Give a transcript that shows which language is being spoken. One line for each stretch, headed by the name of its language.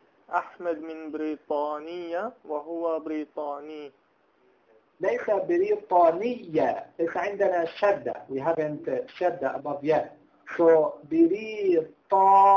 Arabic: أحمد من بريطانية وهو بريطاني. ليس بريطانية. ليس عندنا شدة.
English: We haven't شدة above yet. So بريطانيا.